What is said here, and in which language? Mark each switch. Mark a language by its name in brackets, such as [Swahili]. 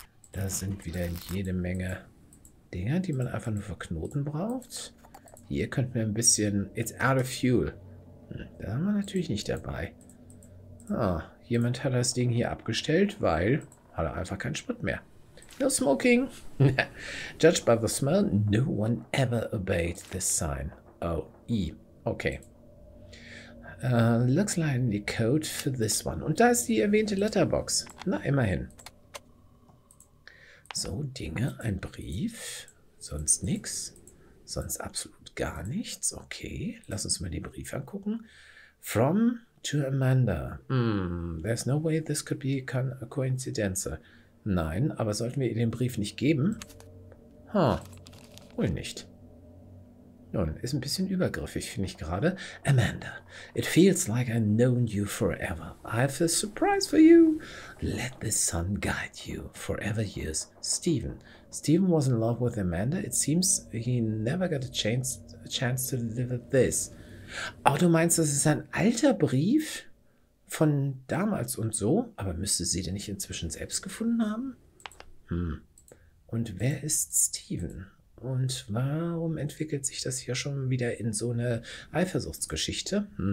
[German] Da sind wieder jede Menge Dinger, die man einfach nur für Knoten braucht. Hier könnten wir ein bisschen... [English] It's out of fuel. [German] Da haben wir natürlich nicht dabei. Ah, jemand hat das Ding hier abgestellt, weil hat er einfach keinen Sprit mehr. [English] No smoking. Judged by the smell, no one ever obeyed this sign. Oh, E. Okay. Looks like the code for this one. [German] Und da ist die erwähnte Letterbox. Na, immerhin. So, Dinge, ein Brief, sonst nix, sonst absolut gar nichts. Okay, lass uns mal den Brief angucken. [English] From to Amanda. There's no way this could be a coincidence. [German] Nein, aber sollten wir ihr den Brief nicht geben? Huh, wohl nicht. Nun, ist ein bisschen übergriffig, finde ich gerade. [English] Amanda, it feels like I've known you forever. I have a surprise for you. Let the sun guide you. Forever yours, Stephen. Stephen was in love with Amanda. It seems he never got a chance to deliver this. [German] Oh, du meinst, das ist ein alter Brief von damals und so? Aber müsste sie denn nicht inzwischen selbst gefunden haben? Und wer ist Stephen? Und warum entwickelt sich das hier schon wieder in so eine Eifersuchtsgeschichte?